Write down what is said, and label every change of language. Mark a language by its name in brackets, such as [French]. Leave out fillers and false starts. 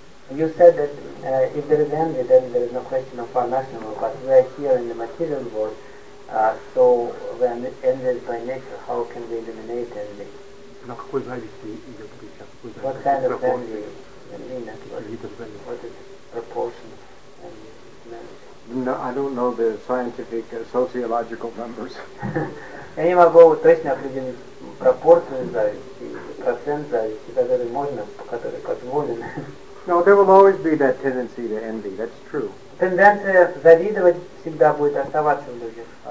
[English] You said that if there is envy, then there is no question of our national, but we are here in the material world, so when envy is by nature, how can we eliminate envy? What kind of envy? What is proportion of envy? No, I don't know the scientific sociological numbers. [Russian] Я не могу точно определить пропорцию зависти, процент зависти, который можно, который позволен. [English] No, there will always be that tendency to envy. That's true. [Russian] Тенденция завидовать всегда будет оставаться в людях.